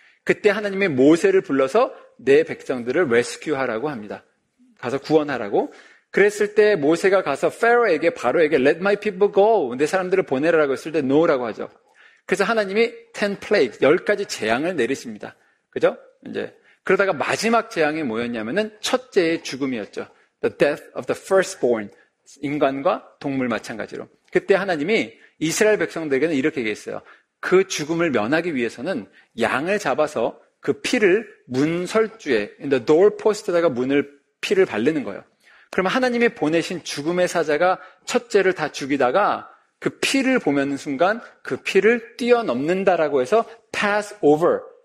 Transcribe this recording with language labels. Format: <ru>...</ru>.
<ko>그때 하나님이 모세를 불러서 내 백성들을 레스큐하라고 합니다. 가서 구원하라고. 그랬을 때 모세가 가서 페로에게 바로에게</ko> <en>Let my people go,</en> <ko>내 사람들을 보내라고 했을 때 No라고 하죠. 그래서 하나님이</ko> <en>10 plagues,</en> <ko>10가지 재앙을 내리십니다. 그죠? 이제 그러다가 마지막 재앙이 뭐였냐면은 첫째의 죽음이었죠.</ko> <en>The death of the firstborn,</en> <ko>인간과 동물 마찬가지로. 그때 하나님이 이스라엘 백성들에게는 이렇게 얘기했어요. 그 죽음을 면하기 위해서는 양을 잡아서 그 피를 문설주에,</ko> <en>in the doorpost</en> <ko>에다가 문을 피를 바르는 거예요. 그러면 하나님이 보내신 죽음의 사자가 첫째를 다 죽이다가 그 피를 보면 순간 그 피를 뛰어넘는다라고 해서 Passover.</ko>